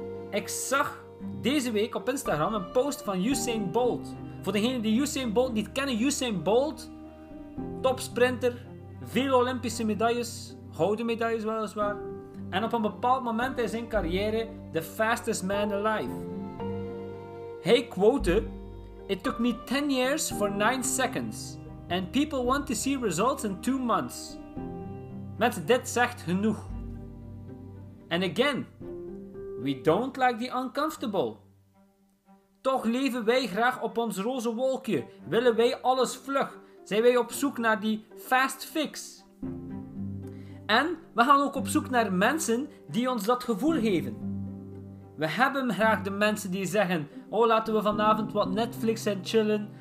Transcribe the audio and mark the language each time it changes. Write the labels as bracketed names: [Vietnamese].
[Dutch] Ik zag deze week op Instagram een post van Usain Bolt. Voor degenen die Usain Bolt niet kennen, Usain Bolt, topsprinter, veel Olympische medailles, gouden medailles weliswaar. En op een bepaald moment in zijn carrière, [English] the fastest man alive. [Dutch] Hij quote: [English] "It took me 10 years for 9 seconds. And people want to see results in 2 months." [Dutch] Met dit zegt genoeg. [English] And again, we don't like the uncomfortable. [Dutch] Toch leven wij graag op ons roze wolkje. Willen wij alles vlug. Zijn wij op zoek naar die fast fix. En we gaan ook op zoek naar mensen die ons dat gevoel geven. We hebben graag de mensen die zeggen: "Oh, laten we vanavond wat Netflix en chillen.